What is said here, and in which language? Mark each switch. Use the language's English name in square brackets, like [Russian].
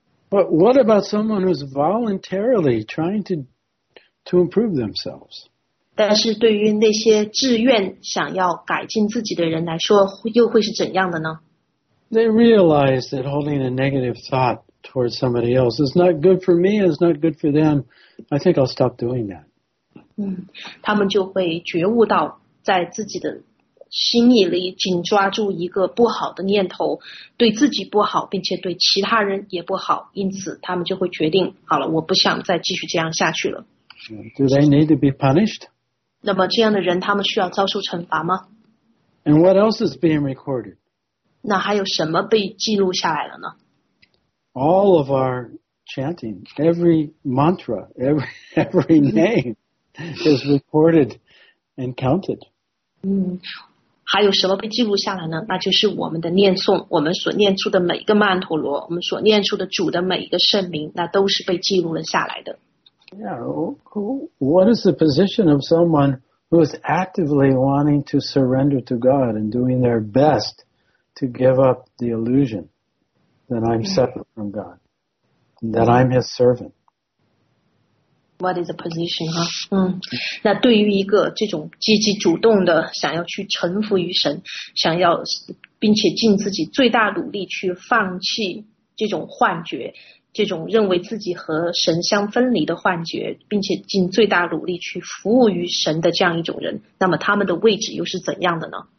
[English] But what about someone who's voluntarily trying to improve themselves? [Chinese] 但是对于那些自愿想要改进自己的人来说，又会是怎样的呢？ [English] They realize that holding a negative thought towards somebody else is not good for me, it's not good for them. I think I'll stop doing that. [Chinese] 他们就会觉悟到在自己的心意里紧抓住一个不好的念头，对自己不好，并且对其他人也不好，因此他们就会决定，好了，我不想再继续这样下去了。 [English] Do they need to be punished? [Chinese] 那么这样的人他们需要遭受惩罚吗？ [English] And what else is being recorded? [Chinese] 那还有什么被记录下来了呢？ [English] All of our chanting, every mantra, every name is recorded and counted. [Chinese] 还有什么被记录下来呢？那就是我们的念诵，我们所念出的每一个曼陀罗，我们所念出的主的每一个圣名，那都是被记录了下来的。 [English] Yeah, what is the position of someone who is actively wanting to surrender to God and doing their best to give up the illusion that I'm separate from God, that I'm His servant? What is the position, huh? [Chinese] 那对于一个这种积极主动的想要去臣服于神，想要并且尽自己最大努力去放弃这种幻觉，这种认为自己和神相分离的幻觉，并且尽最大努力去服务于神的这样一种人，那么他们的位置又是怎样的呢？